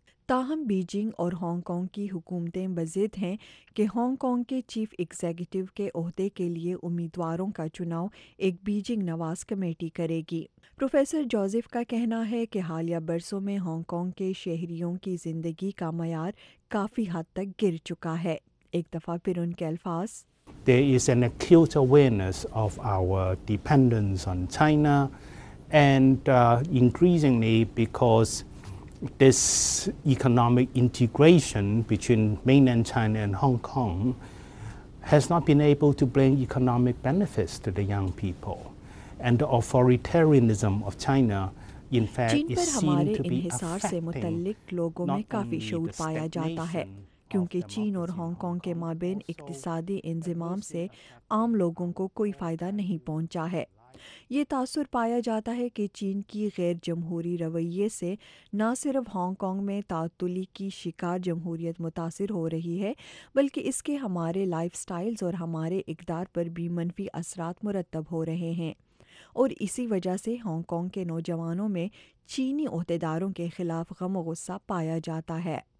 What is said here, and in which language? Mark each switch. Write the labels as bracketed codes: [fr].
[ur] تاہم بیجنگ اور Hong Kong کی حکومتیں مزید ہیں کہ ہانگ کانگ کے چیف ایگزیکٹو کے عہدے کے لیے امیدواروں کا چناؤ ایک بیجنگ نواز کمیٹی کرے گی۔ پروفیسر جوزف کا کہنا ہے کہ حالیہ برسوں میں ہانگ کانگ کے شہریوں کی زندگی کا معیار کافی حد تک گر چکا ہے۔ ایک دفعہ پھر ان کے الفاظ، [en] There is an acute awareness of our dependence on China and increasingly because this economic integration between mainland China and Hong Kong has not been able to bring economic benefits to the young people and the authoritarianism of China in fact is seen to be [ur] انحصار سے متعلق لوگوں میں کافی شعور پایا جاتا ہے کیونکہ چین اور ہانگ کانگ کے مابین اقتصادی انضمام سے عام لوگوں کو کوئی فائدہ نہیں پہنچا ہے۔ یہ تاثر پایا جاتا ہے کہ چین کی غیر جمہوری رویے سے نہ صرف ہانگ کانگ میں تعطلی کی شکار جمہوریت متاثر ہو رہی ہے بلکہ اس کے ہمارے لائف سٹائلز اور ہمارے اقدار پر بھی منفی اثرات مرتب ہو رہے ہیں، اور اسی وجہ سے ہانگ کانگ کے نوجوانوں میں چینی عہدیداروں کے خلاف غم و غصہ پایا جاتا ہے۔